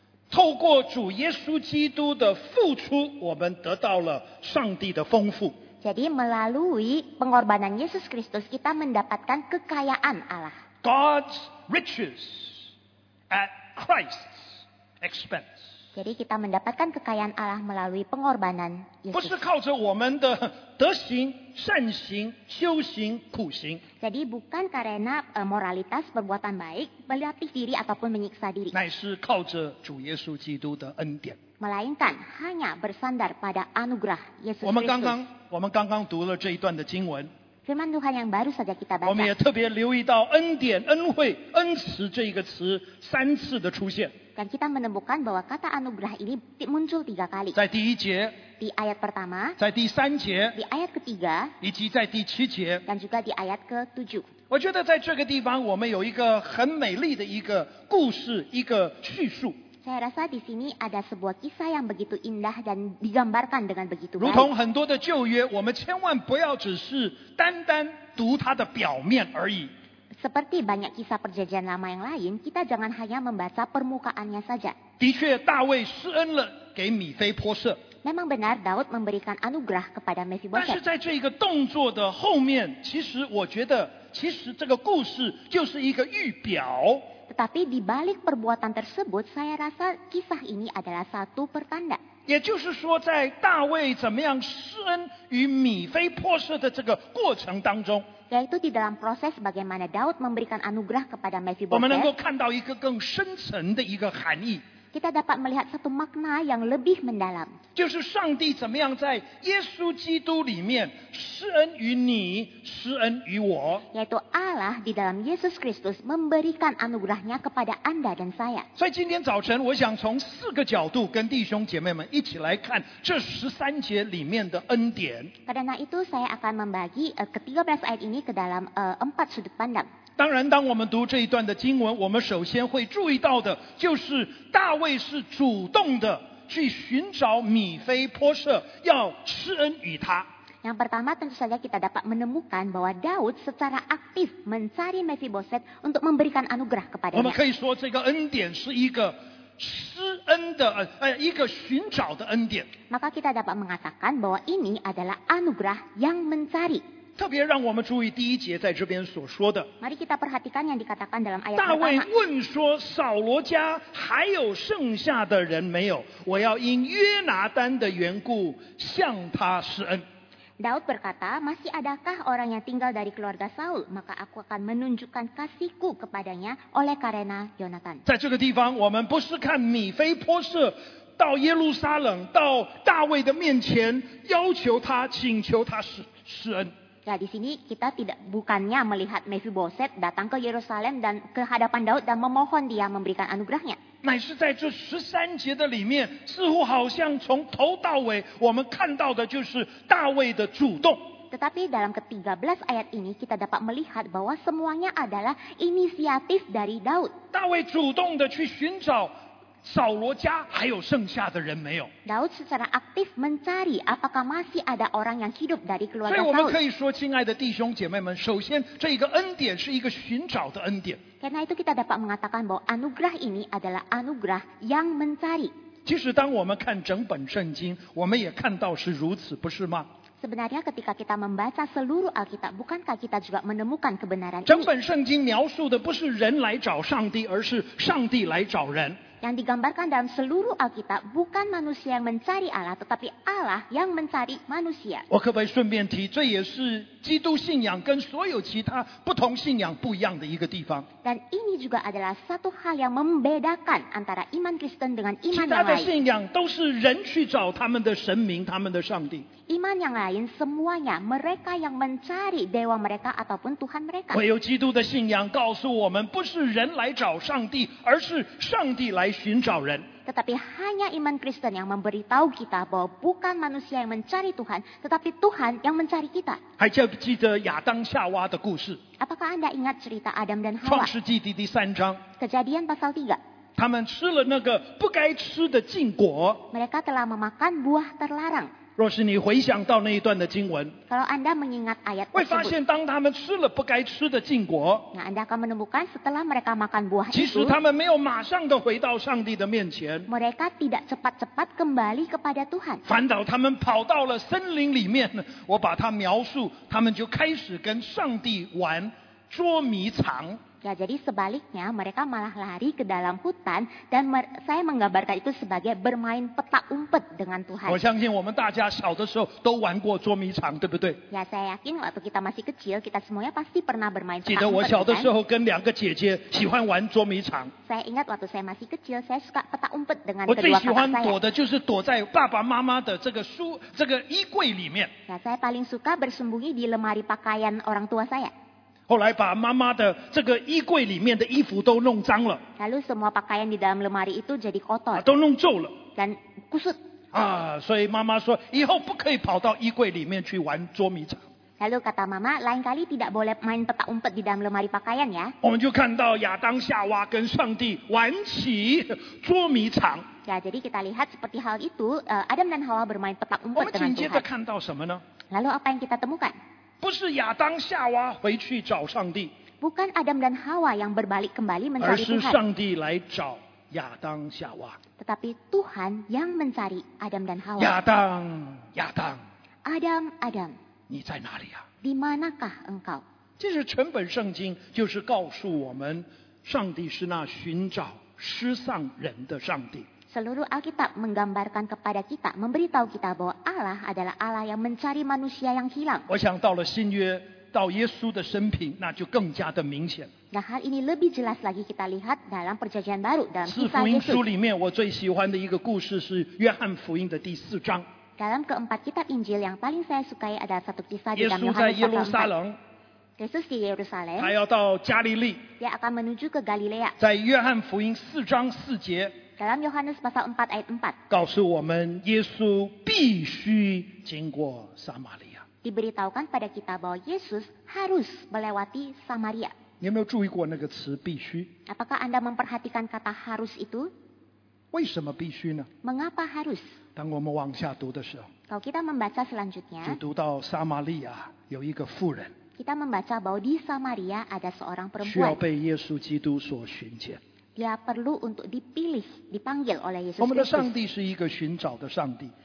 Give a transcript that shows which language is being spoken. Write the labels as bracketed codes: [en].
[zh] 透过主耶稣基督的付出，我们得到了上帝的丰富。 [id] Jadi melalui pengorbanan Yesus Kristus kita mendapatkan kekayaan Allah. [en] God's riches at Christ's expense. [id] Jadi kita mendapatkan kekayaan Allah melalui pengorbanan Yesus. [zh] 不是靠着我们的德行、善行、修行、苦行。 [id] Jadi bukan karena moralitas perbuatan baik, melatih diri ataupun menyiksa diri. [zh] 乃是靠着主耶稣基督的恩典。 [id] Melainkan hanya bersandar pada anugerah Yesus Kristus. [zh] 我们刚刚读了这一段的经文。 [id] Firman Tuhan yang baru saja kita baca. [zh] 我们也特别留意到恩典、恩惠、恩慈这一个词三次的出现。 [id] Dan kita menemukan bahwa kata anugerah ini muncul 3 kali. [zh] 在第一节。 [id] Di ayat pertama. [zh] 在第三节。 [id] Di ayat ketiga. [zh] 以及在第七节。 [id] Dan juga di ayat ke-7. [zh] 我觉得在这个地方我们有一个很美丽的一个故事，一个叙述。 [id] Saya rasa di sini ada sebuah kisah yang begitu indah dan digambarkan dengan begitu baik. [zh] 如同很多的旧约，我们千万不要只是单单读它的表面而已。 [id] Seperti banyak kisah perjanjian lama yang lain, kita jangan hanya membaca permukaannya saja. [zh] 的确，大卫施恩了给米非波设。 [id] Memang benar Daud memberikan anugerah kepada Mephiboset. [zh] 但是在这一个动作的后面，其实我觉得，其实这个故事就是一个预表。 [id] Tetapi di balik perbuatan tersebut, saya rasa kisah ini adalah satu pertanda. [zh] 也就是说，在大卫怎么样施恩于米非波设的这个过程当中。 [id] Yaitu di dalam proses bagaimana Daud memberikan anugerah kepada Mephiboset. [zh] 我们能够看到一个更深层的一个含义。 [id] Kita dapat melihat satu makna yang lebih mendalam. [zh] 就是上帝怎么样在耶稣基督里面施恩于你，施恩于我。 [id] Yaitu Allah di dalam Yesus Kristus memberikan anugerahnya kepada Anda dan saya. [zh] 所以今天早晨，我想从四个角度跟弟兄姐妹们一起来看这十三节里面的恩典。 [id] Karena itu saya akan membagi ketiga belas ayat ini ke dalam empat sudut pandang. [zh] 当然当我们读这一段的经文我们首先会注意到的就是大卫是主动的去寻找米非波设要施恩于他 [id] yang pertama tentu saja kita dapat menemukan bahwa Daud secara aktif mencari Mephiboset untuk memberikan anugerah kepadanya [zh] 我们可以说这个恩典是一个施恩的一个寻找的恩典 [id] maka kita dapat mengatakan bahwa ini adalah anugerah yang mencari [zh] 特别让我们注意第一节在这边所说的。 [id] Mari kita perhatikan yang dikatakan dalam ayat [zh] 大卫问说：“扫罗家还有剩下的人没有？我要因约拿单的缘故向他施恩。” [id] Daud berkata, masih adakah orang yang tinggal dari keluarga Saul? Maka aku akan menunjukkan kasihku kepadanya oleh karena Yonatan. [zh] 在这个地方，我们不是看米非波设。到耶路撒冷到大卫的面前要求他请求他施恩 [id] ya, di sini kita tidak bukannya melihat Mephiboset datang ke Yerusalem dan ke hadapan Daud dan memohon dia memberikan anugerahnya [zh] 乃是在这十三节的里面似乎好像从头到尾我们看到的就是大卫的主动 [id] tetapi dalam ketiga belas ayat ini kita dapat melihat bahwa semuanya adalah inisiatif dari Daud [zh] 大卫主动的去寻找扫罗家还有剩下的人没有 [id] Daud secara aktif mencari apakah masih ada orang yang hidup dari keluarga Saul [zh] 所以我们可以说亲爱的弟兄姐妹们首先这一个恩典是一个寻找的恩典 [id] karena itu kita dapat mengatakan bahwa anugerah ini adalah anugerah yang mencari [zh] 其实当我们看整本圣经我们也看到是如此不是吗 [id] sebenarnya ketika kita membaca seluruh Alkitab bukankah kita juga menemukan kebenaran ini [zh] 整本圣经描述的不是人来找上帝而是上帝来找人 [id] Yang digambarkan dalam seluruh Alkitab bukan manusia yang mencari Allah, tetapi Allah yang mencari manusia. [zh] 我可不可以顺便提，这也是基督信仰跟所有其他不同信仰不一样的一个地方。 [id] Dan ini juga adalah satu hal yang membedakan antara iman Kristen dengan iman yang lain. [zh] 其他的信仰都是人去找他们的神明、他们的上帝。 [id] Iman yang lain semuanya mereka yang mencari dewa mereka ataupun Tuhan mereka. [zh] 唯有基督的信仰告诉我们，不是人来找上帝，而是上帝来。来寻找人 [id] tetapi hanya iman Kristen yang memberitahu kita bahwa bukan manusia yang mencari Tuhan tetapi Tuhan yang mencari kita [zh] 还记得亚当夏娃的故事 [id] apakah anda ingat cerita Adam dan Hawa [zh] 创世纪第三章 [id] kejadian pasal 3 [zh] 他们吃了那个不该吃的禁果 [id] mereka telah memakan buah terlarang [zh] 若是你回想到那一段的经文 [id] kalau anda mengingat ayat [zh] 会发现当他们吃了不该吃的禁果 [id] nah, anda akan menemukan setelah mereka makan buah itu [zh] 其实他们没有马上的回到上帝的面前 [id] mereka tidak cepat-cepat kembali kepada Tuhan [zh] 反倒他们跑到了森林里面我把它描述他们就开始跟上帝玩捉迷藏 [id] Ya, jadi sebaliknya mereka malah lari ke dalam hutan dan saya menggambarkan itu sebagai bermain petak umpet dengan Tuhan. [zh] 我相信我们大家小的时候都玩过捉迷藏，对不对？ [id] Ya, saya yakin waktu kita masih kecil, kita semuanya pasti pernah bermain. [zh] 记得我小的时候跟两个姐姐喜欢玩捉迷藏。 [id] Saya ingat waktu saya masih kecil, saya suka petak umpet dengan kedua kakak saya. [zh] 我最喜欢躲的就是躲在爸爸妈妈的这个书这个衣柜里面。 [id] Ya, saya paling suka bersembunyi di lemari pakaian orang tua saya. [zh] 后来把妈妈的这个衣柜里面的衣服都弄脏了 [id] lalu semua pakaian di dalam lemari itu jadi kotor [zh] 都弄皱了 [id] dan kusut [zh] 所以妈妈说以后不可以跑到衣柜里面去玩捉迷藏 [id] Lalu kata mama, lain kali tidak boleh main petak umpet di dalam lemari pakaian ya. [zh] 我们就看到亚当夏娃跟上帝玩起捉迷藏。 [id] Ya, jadi kita lihat seperti hal itu, Adam dan Hawa bermain petak umpet dengan Tuhan. [zh] 我们紧接着看到什么呢？ [id] Lalu apa yang kita temukan？ [zh] 不是亚当夏娃回去找上帝。 [id] Bukan Adam dan Hawa yang berbalik kembali mencari Tuhan. [zh] 而是上帝来找亚当夏娃。 [id] Tetapi Tuhan yang mencari Adam dan Hawa. [zh] 亚当，亚当。 [id] Adam, Adam. [zh] 你在哪里啊？ [id] Di manakah engkau？ [zh] 这是全本圣经，就是告诉我们，上帝是那寻找失丧人的上帝。 [id] Seluruh Alkitab menggambarkan kepada kita, memberitahu kita bahwa Allah adalah Allah yang mencari manusia yang hilang. [zh] 我想到了新约，到耶稣的身平，那就更加的明显。 [id] Nah, hal ini lebih jelas lagi kita lihat dalam perjanjian baru dalam Kisah Yesus. [zh] 四福音书里面，我最喜欢的一个故事是约翰福音的第四章。 [id] Dalam keempat kitab Injil yang paling saya sukai adalah satu kisah di dalam Yohanes 4. Yesus di Yerusalem. Dia akan ke Galilea. Dia akan menuju ke Galilea. Di Yohanes 4 章4节. Dalam Yohanes pasal 4 ayat 4. [zh] 告诉我们耶稣必须经过撒玛利亚. [id] Diberitahukan pada kita bahwa Yesus harus melewati Samaria. [zh] 你有没有注意过那个词必须? [id] Apakah Anda memperhatikan kata harus itu? [zh] 为什么必须呢？ [id] Mengapa harus？ [zh] 当我们往下读的时候， [id] kalau kita membaca selanjutnya， [zh] 就读到撒玛利亚有一个妇人， [id] kita membaca bahwa di Samaria ada seorang perempuan， [zh] 需要被耶稣基督所寻见， [id] dia perlu untuk dipilih， dipanggil oleh Yesus Kristus。 [zh] 我们的上帝是一个寻找的上帝，